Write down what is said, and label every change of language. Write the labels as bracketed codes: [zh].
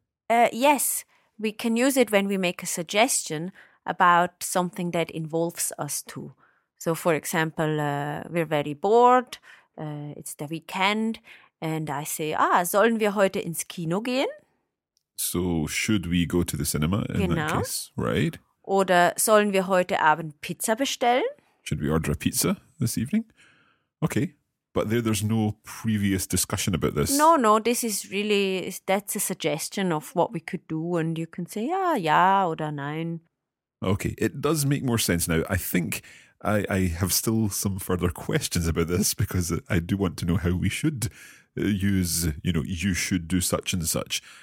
[en] Yes, we can use it when we make a suggestion about something that involves us too. So, for example, we're very bored, it's the weekend, and I say, [de] sollen wir heute ins Kino gehen? [en] So, should we go to the cinema in genau. That case, right? [de] Oder sollen wir heute Abend Pizza bestellen? [en] Should we order a pizza this evening? Okay. But there's no previous discussion about this. No, this is really, that's a suggestion of what we could do. And you can say, yeah, oder nein. Okay, it does make more sense now. I think I have still some further questions about this because I do want to know how we should use, you know, you should do such and such.